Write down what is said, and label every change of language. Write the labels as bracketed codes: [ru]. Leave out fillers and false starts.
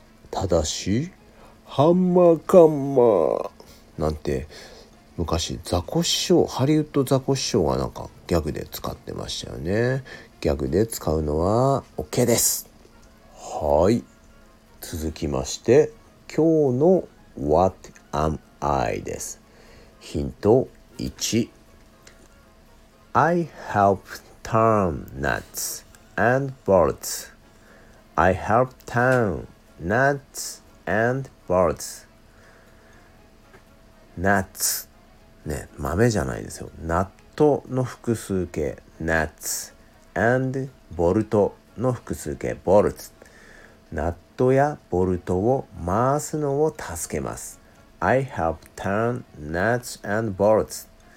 [ja] ただし、ハンマーカンマーなんて、昔ザコ師匠、ハリウッドザコ師匠がなんかギャグで使ってましたよね。ギャグで使うのは OK です。はい。続きまして、今日の What am I です。ヒント1。 [en] I help turn nuts and bolts. I help turn nuts and bolts. [ja] Nuts、ね、豆じゃないですよ。ナットの複数形 nuts and ボルトの複数形 bolts。ナットやボルトを回すのを助けます。 [en] I help turn nuts and bolts.